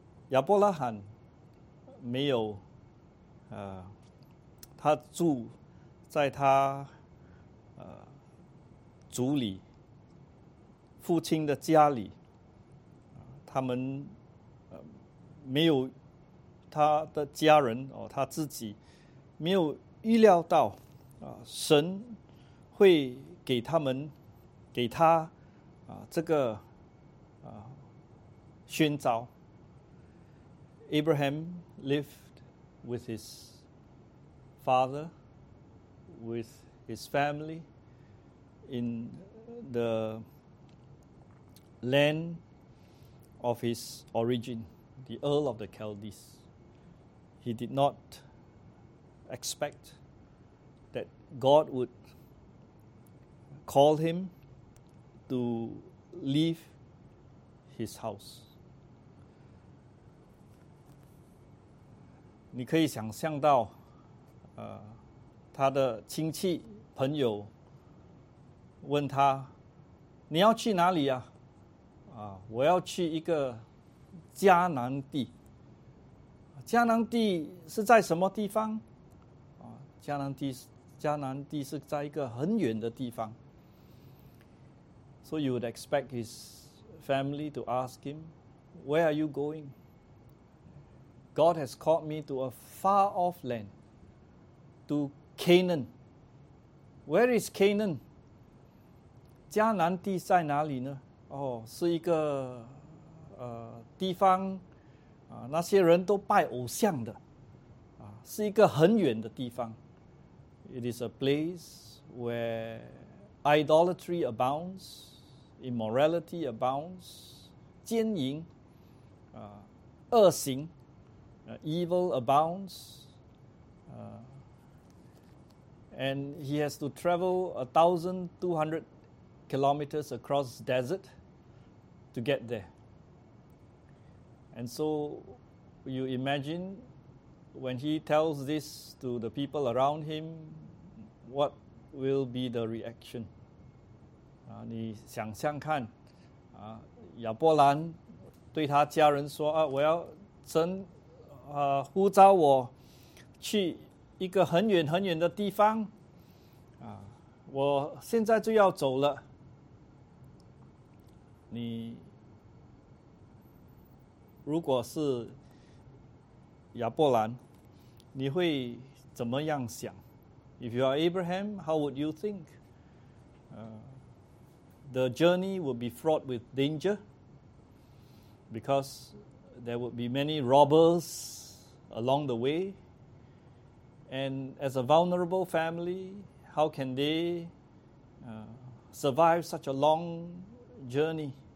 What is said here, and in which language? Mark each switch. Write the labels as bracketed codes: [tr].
[zh] 亚伯拉罕没有他住在他族里父亲的家里，他们没有他的家人他自己没有预料到神会给他们给他这个宣召。 [en] Abraham lived with his father, with his family in the land of his origin, the Earl of the Chaldees. He did not expect that God would call him to leave his house. [zh] 你可以想象到他的亲戚朋友问他，你要去哪里啊？我要去一个迦南地。迦南地是在什么地方？迦南地是在一个很远的地方。 [en] So you would expect his family to ask him, where are you going? God has called me to a far off land, to Canaan. Where is Canaan? [zh] 迦南地在哪里呢？是一个地方那些人都拜偶像的是一个很远的地方。 [en] It is a place where idolatry abounds, immorality abounds, [zh] 奸淫恶行 [en] evil abounds, and he has to travel 1,200 kilometers across desert to get there. And so you imagine when he tells this to the people around him, what will be the reaction? [zh] 你想象看亚伯兰对他家人说我要神呼召我去一个很远很远的地方我现在就要走了。你如果是亚伯兰，你会怎么样想？ [en] If you are Abraham, how would you think? The journey would be fraught with danger because there would be many robbers along the way. And as a vulnerable family, how can they survive such a long journey?